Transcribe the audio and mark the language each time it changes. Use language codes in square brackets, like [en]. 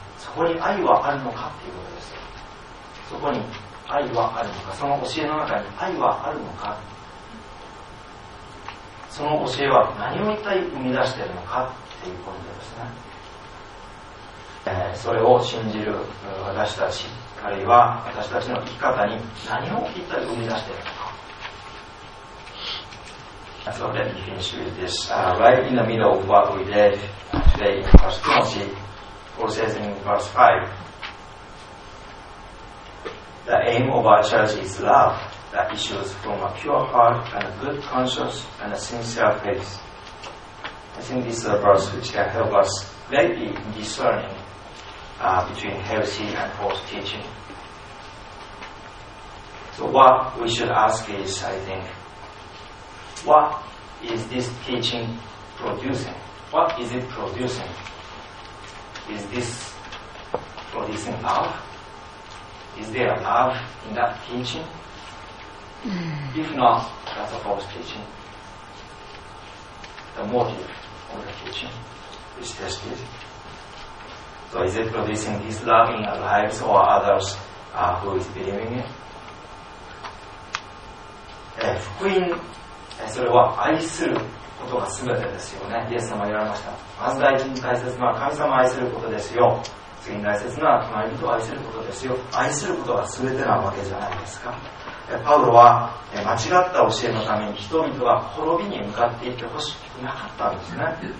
[ja] そこに愛はあるのかということです。そこに愛はあるのか、その教えの中に愛はあるのか、その教えは何を一体生み出しているのかということですね。それを信じる私たち、あるいは私たちの生き方に何を一体生み出しているのか。 [en] So let me finish with this. Right in the middle of what we did today in verse 2, Paul says in verse 5, The aim of our church is love that issues from a pure heart and a good conscience and a sincere faith. I think this is a verse which can help us greatly in discerningbetween heresy and false teaching. So what we should ask is, I think, what is this teaching producing? What is it producing? Is this producing love? Is there love in that teaching? If not, that's a false teaching. The motive of the teaching is tested. So is it producing this love in our lives or others who is believing it? [ja] 福音、それは愛することが全てですよね。イエス様が言われました。まず第一に大切なのは神様を愛することですよ。次に大切なのは隣人を愛することですよ。愛することが全てなわけじゃないですか。パウロは間違った教えのために人々が滅びに向かっていってほしくなかったんですね。